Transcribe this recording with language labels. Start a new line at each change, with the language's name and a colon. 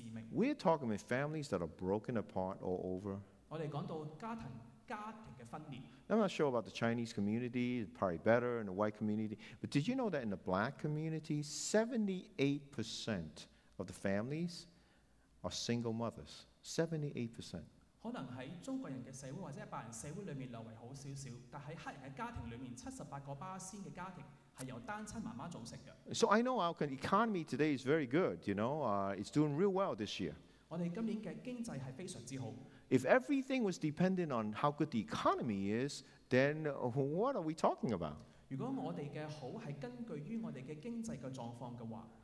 English: We're talking about families that are broken apart all over. I'm not sure about the Chinese community, probably better in the white community, but did you know that in the black community, 78% of the families are single mothers? 78%.
Chinese: 可能在中國人的社會或者白人社會裡面略為好一點， 但在黑人的家庭裡面，78%的家庭是由單親媽媽組成的。
English: So I know our economy today is very good, you know, it's doing real well this year.
Chinese: 我們今年的經濟是非常之好。
English: If everything was dependent on how good the economy is, then what are we talking about?
Chinese: 如果我們的好是根據於我們的經濟的狀況的話，